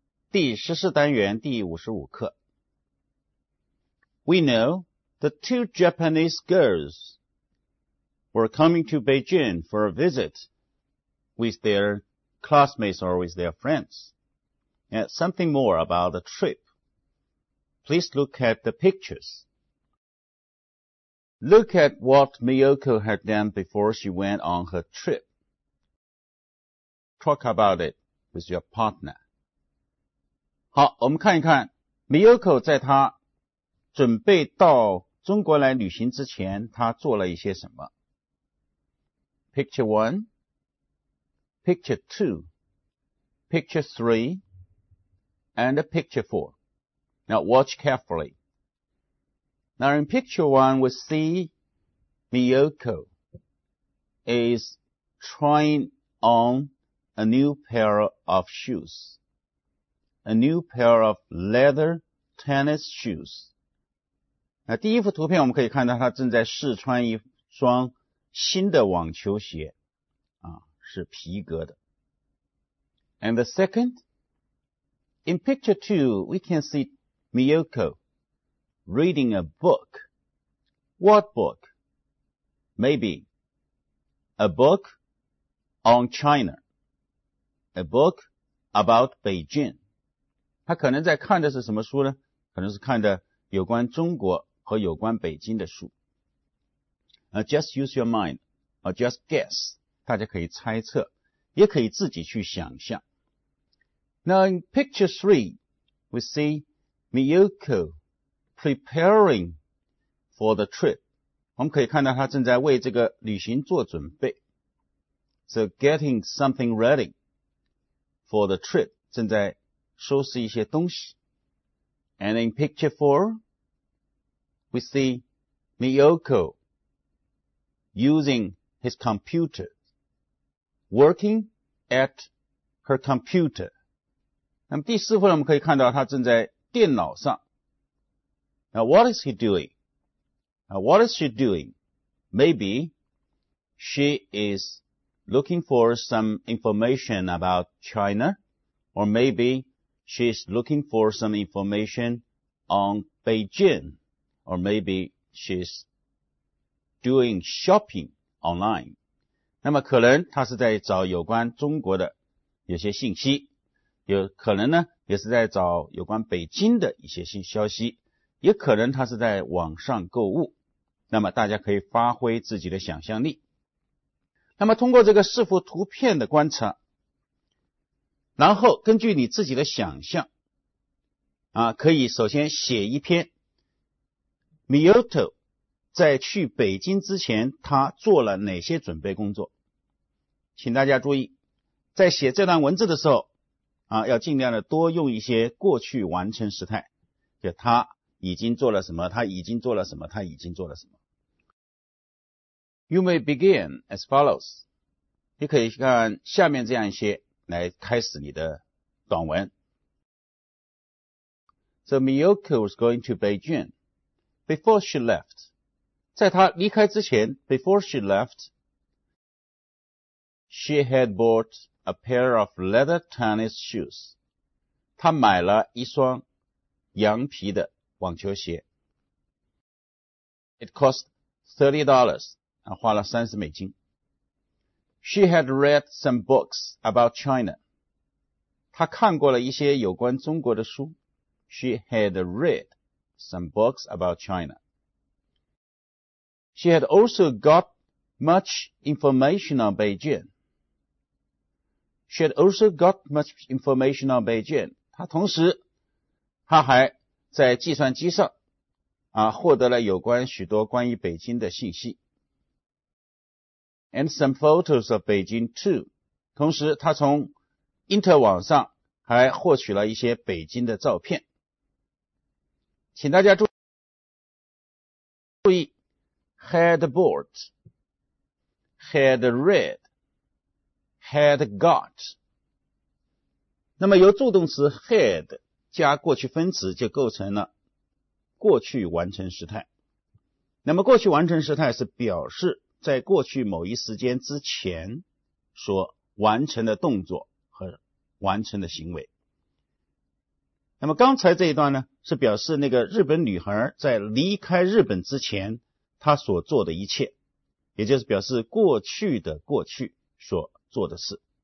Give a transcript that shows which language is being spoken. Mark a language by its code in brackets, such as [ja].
[zh] 第十四单元第五十五课。 [en] We know the two Japanese girls were coming to Beijing for a visit with their classmates or with their friends. And something more about the trip. Please look at the pictures. Look at what Miyoko had done before she went on her trip. Talk about it with your partner. [zh] 好，我们看一看 Miyoko 在她准备到中国来旅行之前，她做了一些什么。 [en] Picture 1, Picture 2, Picture 3, and Picture 4. Now watch carefully. Now in Picture 1, we see Miyoko is trying onA new pair of shoes, a new pair of leather tennis shoes. [zh] 那第一幅图片我们可以看到她正在试穿一双新的网球鞋，啊，是皮革的。 [en] And the second, in picture two, we can see Miyoko reading a book. What book? Maybe a book on China. A book about Beijing. [zh] 他可能在看的是什么书呢？可能是看的有关中国和有关北京的书。 [en] Just use your mind, or just guess. [zh] 大家可以猜测，也可以自己去想象。 [en] Now in picture three, we see Miyoko preparing for the trip. [zh] 我们可以看到他正在为这个旅行做准备。 [en] So getting something ready. For the trip, [zh] 正在收拾一些东西。 [en] And in picture four, we see Miyoko using his computer, working at her computer. [zh] 那么第四幅我们可以看到他正在电脑上。 [en] Now what is he doing? Now what is she doing? Maybe she is... Looking for some information about China, or maybe she's looking for some information on Beijing, or maybe she's doing shopping online. [zh] 那么可能她是在找有关中国的有些信息，有可能呢，也是在找有关北京的一些新消息，也可能她是在网上购物。那么大家可以发挥自己的想象力。那么通过这个四幅图片的观察，然后根据你自己的想象，啊，可以首先写一篇 Miyoko 在去北京之前他做了哪些准备工作。请大家注意，在写这段文字的时候，啊，要尽量的多用一些过去完成时态，就他已经做了什么，他已经做了什么，他已经做了什么。 [en] You may begin as follows. [zh] 你可以看下面这样一些来开始你的短文。 [en] So Miyoko was going to Beijing. Before she left, [zh] 在她离开之前 , [en] before she left, she had bought a pair of leather tennis shoes. [zh] 她买了一双羊皮的网球鞋。 [en] It cost $30. [zh] 花了三十美金。 [en] She had read some books about China. [zh] 她看过了一些有关中国的书。 [en] She had read some books about China. She had also got much information on Beijing. She had also got much information on Beijing. [zh] 她同时，她还在计算机上，啊，获得了有关许多关于北京的信息。 [en] And some photos of Beijing too. [zh] 同时他从因特网上还获取了一些北京的照片。请大家注意 [en] had bought, had read, had got. [zh] 那么由助动词 had 加过去分词就构成了过去完成时态。那么过去完成时态是表示在过去某一时间之前所完成的动作和完成的行为。那么刚才这一段呢，是表示那个日本女孩在离开日本之前她所做的一切，也就是表示过去的过去所做的事。